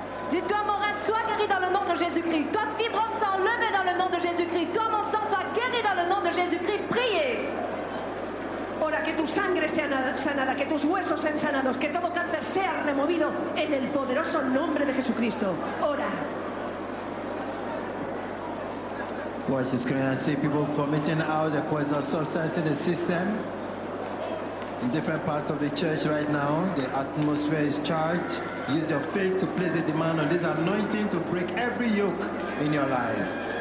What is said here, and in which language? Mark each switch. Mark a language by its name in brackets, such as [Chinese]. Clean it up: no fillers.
[French] Dis-toi, mon rein, sois guéri dans le nom de Jésus-Christ. Toi, fibrome, sois enlevé dans le nom de Jésus-Christ. Toi, mon sang, sois guéri dans le nom de Jésus-Christ. Priez. [Spanish] Ora que tu sangre sea sanada, que tus huesos sean sanados, que todo cáncer sea removido en el poderoso nombre de Jesucristo. Ora. [English] Watch the screen. I see people vomiting out the poisonous substance in the system. In different parts of the church right now, the atmosphere is charged. Use your faith to place a demand on this anointing to break every yoke in your life.